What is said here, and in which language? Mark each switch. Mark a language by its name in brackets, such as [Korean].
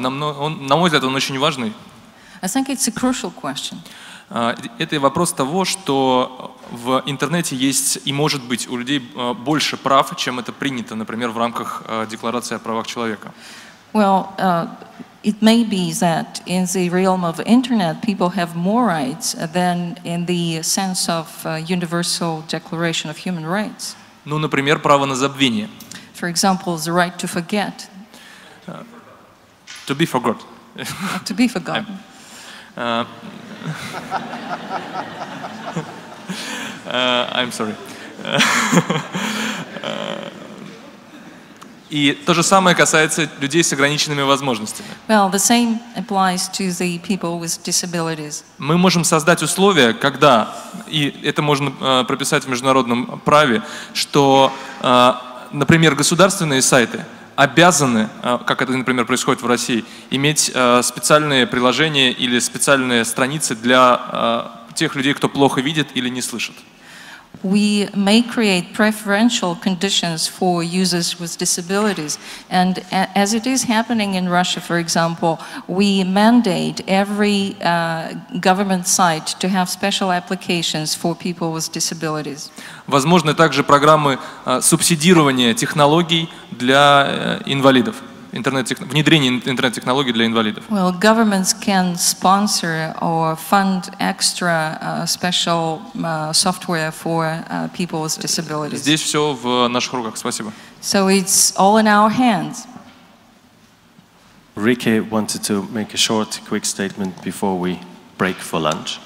[Russian] На мой взгляд, он очень важный. [English] I think it's a crucial question. [Russian] Это вопрос того, что в интернете есть и может быть у людей больше прав, чем это принято, например, в рамках Декларации о правах человека. [English] Well, it may be that in the realm of internet people have more rights than in the sense of Universal Declaration of Human Rights. [Russian] Ну, например, право на забвение. [English] For example, the right to forget. To be forgot. To be forgotten. I'm sorry. [Russian] И то же самое касается людей с ограниченными возможностями. [English] Well, the same applies to the people with disabilities. [Russian] Мы можем создать условия, когда, и это можно прописать в международном праве, что, например, государственные сайты обязаны, как это, например, происходит в России, иметь специальные приложения или специальные страницы для тех людей, кто плохо видит или не слышит. [English] We may create preferential conditions for users with disabilities. And as it is happening in Russia, for example, we mandate every government site to have special applications for people with disabilities. [Russian] Возможны также программы субсидирования технологий для инвалидов. Внедрение интернет-технологий для инвалидов. [English] Well, governments can sponsor or fund extra special software for people with disabilities. [Russian] Здесь все в наших руках. Спасибо. [English] So it's all in our hands. Rike wanted to make a short, quick statement before we break for lunch.